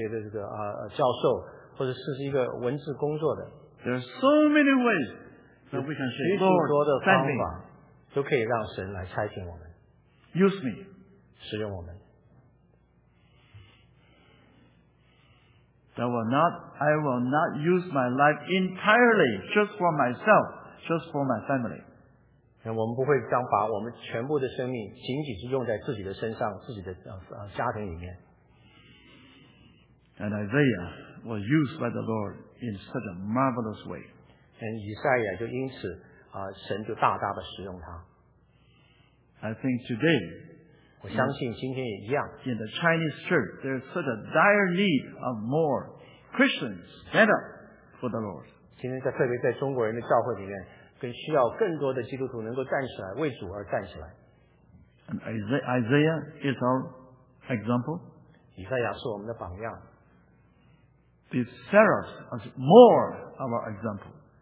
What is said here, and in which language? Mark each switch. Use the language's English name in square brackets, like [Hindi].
[Chinese] 神学的这个教授，或者是一个文字工作的。 [English] There are so many ways that we can say, Lord, send me. [Chinese] 许许多的方法都可以让神来差遣我们。 [English] Use me. [Chinese] 使用我们。 [English] I will not use my life entirely just for myself, just for my family. [Chinese] 我们不会将把我们全部的生命仅仅是用在自己的身上，自己的家庭里面。 [English] And Isaiah was used by the Lord in such a marvelous way. [Chinese] And 以赛亚就因此神就大大的使用他。 [English] I think today, [Chinese] 我相信今天也一样。 [English] In the Chinese church, there is such a dire need of more Christians stand up for the Lord. [Chinese] 今天在特别在中国人的教会里面，更需要更多的基督徒能够站起来，为主而站起来。 [English] And Isaiah is our example. [Chinese] 以赛亚是我们的榜样。 [English] The seraphs are more of our example.